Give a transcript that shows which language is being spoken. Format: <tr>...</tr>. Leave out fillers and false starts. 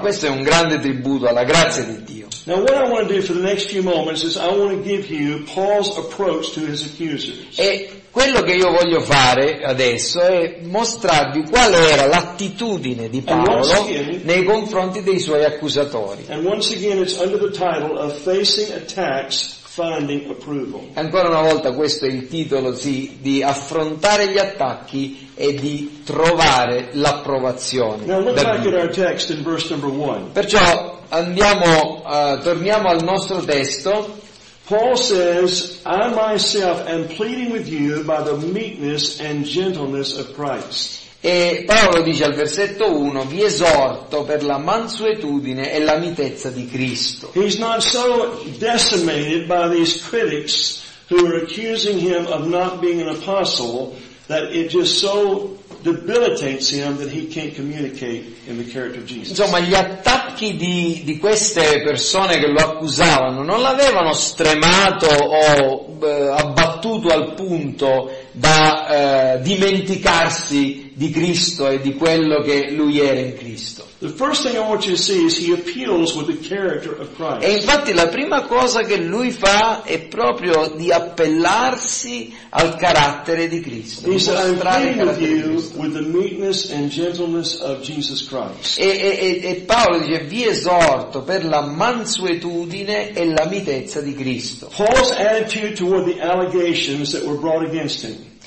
<it>Questo è un grande tributo alla grazia di Dio.</it> <en>Now what I want to do for the next few moments is I want to give you Paul's approach to his accusers.</en> <it>E quello che io voglio fare adesso è mostrarvi qual era l'attitudine di Paolo nei confronti dei suoi accusatori.</it> <en>And once again it's under the title of Facing Attacks, Finding Approval.</en> <it>Ancora una volta questo è il titolo, sì, di affrontare gli attacchi e di trovare l'approvazione.</it> <en>Now look back at our text in verse number one.</en> <it>Perciò torniamo al nostro testo.</it> <en>Paul says, I myself am pleading with you by the meekness and gentleness of Christ.</en> <it>E Paolo dice al versetto 1, vi esorto per la mansuetudine e la mitezza di Cristo.</it> <en>He's not so decimated by these critics who are accusing him of not being an apostle that it just so debilitates him that he can't communicate in the character of Jesus.</en> <it>Insomma, gli attacchi di queste persone che lo accusavano non l'avevano stremato o abbattuto al punto da dimenticarsi di Cristo e di quello che lui era in Cristo.</it> <en>The first thing I want you to see is he appeals with the character of Christ.</en> <it>E infatti la prima cosa che lui fa è proprio di appellarsi al carattere di Cristo.</it> <en>He says, I'm pleading with you with the meekness and gentleness of Jesus Christ.</en> <it>E Paolo dice, vi esorto per la mansuetudine e la mitezza di Cristo.</it> <en>Paul's attitude toward the allegations that were brought against him.</en>